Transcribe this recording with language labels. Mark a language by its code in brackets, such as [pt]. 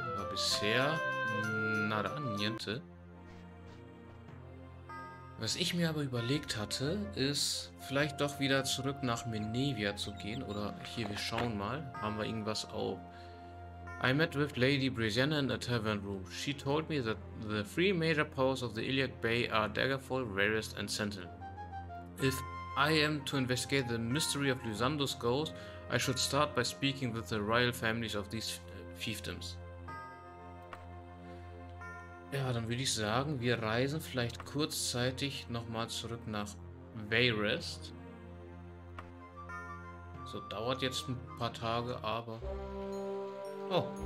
[de] Bisher nada, niente. Was ich mir aber überlegt hatte, ist vielleicht doch wieder zurück nach Menevia zu gehen. Oder hier, wir schauen mal, haben wir irgendwas auf [en] I met with Lady Brianna in a tavern room. She told me that the three major powers of the Iliac Bay are Daggerfall, Rarest, and Sentinel. If I am to investigate the mystery of Lysandro's ghost, I should start by speaking with the royal families of these fiefdoms. [de] Ja, dann würde ich sagen, wir reisen vielleicht kurzzeitig nochmal zurück nach Vayrest. So, dauert jetzt ein paar Tage, aber... Oh!